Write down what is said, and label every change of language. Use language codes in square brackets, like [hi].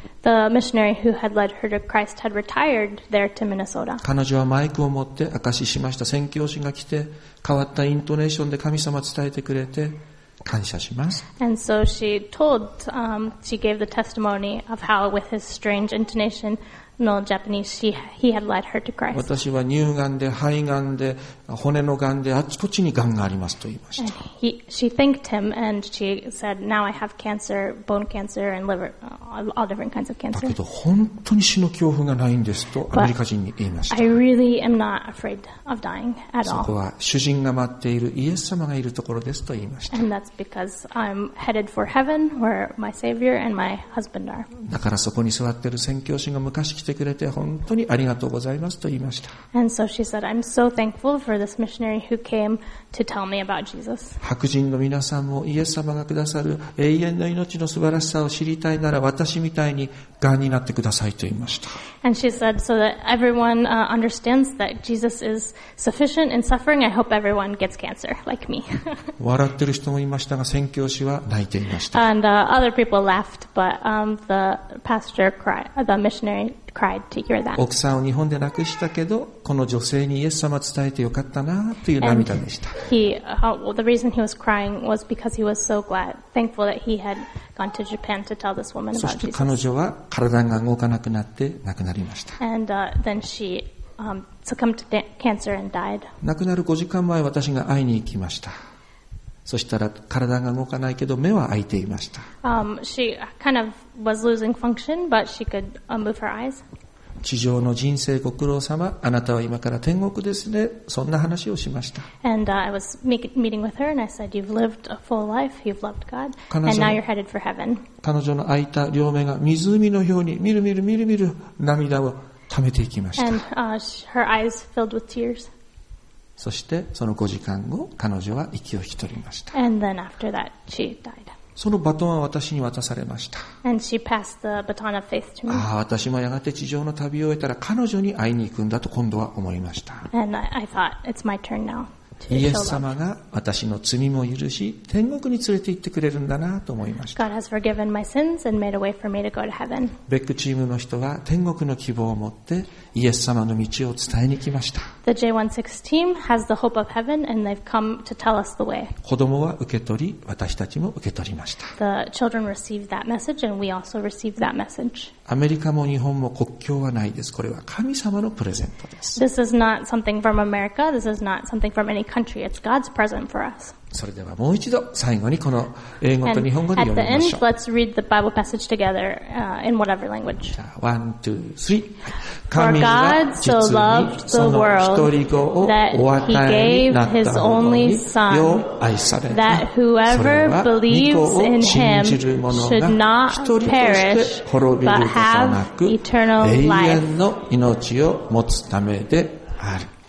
[en] The missionary who had led her to Christ had retired there to Minnesota. [ja] 彼女はマイクを持って証ししました。宣教師が来て変わったイントネーションで神様を伝えてくれて感謝します。 [en] And so she told, she gave the testimony of how with his strange intonation, no Japanese, he had led her to Christ. [ja] 私は乳がんで、肺がんで、骨のがんで、あちこちにがんがありますと言いました。 [en] And she thanked him and she said, now I have cancer, bone cancer and liver, all different kinds of cancer. [ja] だけど本当に死の恐怖がないんですとアメリカ人に言いました。 [en] But、I really am not afraid of dying at all. [ja] そこは主人が待っているイエス様がいるところですと言いました。 [en] And that's because I'm headed for heaven where my Savior and my husband are. [ja] だからそこに座っている宣教師が昔来てくれて本当にありがとうございますと言いました。 [en] And so she said, I'm so thankful for this missionary who came to tell me about Jesus. [ja] 白人の皆さんもイエス様がくださる永遠の命の素晴らしさを知りたいなら私みたいに癌になってくださいと言いました。 [en] And she said, so that everyone understands that Jesus is sufficient in suffering, I hope everyone gets cancer like me. [ja] 笑ってる人もいましたが宣教師は泣いていました。 [en] And other people laughed, but the pastor cried, the missionary. [ja] 奥さんを日本で亡くしたけどこの女性にイエス様を伝えてよかったなという涙でした。 [en] The reason he was crying was because he was so glad, thankful that he had gone to Japan to tell this woman about Jesus. [ja] そして彼女は体が動かなくなって亡くなりました。 [en] And then she succumbed to cancer and died. [ja] 亡くなる5時間前私が会いに行きました。そしたら体が動かないけど目は開いていました。 [en] She kind of was losing function, but she could move her eyes. [ja] 地上の人生ご苦労様、あなたは今から天国ですね。そんな話をしました。 [en] And I was meeting with her and I said, you've lived a full life, you've loved God, and now you're headed for heaven. [ja] 彼女の開いた両目が湖のようにみるみるみるみる涙を溜めていきました。 [en] And her eyes filled with tears. [ja] そしてその5時間後彼女は息を引き取りました。 [en] And then after that, she died. [ja] そのバトンは私に渡されました。 [en] And she passed the baton of faith to me. [ja] ああ私もやがて地上の旅を終えたら彼女に会いに行くんだと今度は思いました。 [en] And I thought, it's my turn now to show [ja] love. イエス様が私の罪も許し天国に連れて行ってくれるんだなと思いました。 [en] God has forgiven my sins and made a way for me to go to heaven. [ja] ベックチームの人は天国の希望を持ってイエス様の道を伝えに来ました。 [en] The J16 team has the hope of heaven and they've come to tell us the way. [ja] 子供は受け取り、私たちも受け取りました。 [en] The children received that message and we also received that message. [ja] アメリカも日本も国境はないです。これは神様のプレゼントです。 [en] This is not something from America. This is not something from any country. It's God's present for us. [ja] それではもう一度最後にこの英語と日本語で読みましょう。 [en] And at the end, let's read the Bible passage together, in whatever language. じゃあ、one, two, three. [ja] 神は実にその一人子をお与えになったのに、よ愛されたそれは御子を信じる者が一人として滅びることなく永遠の命を持つためである。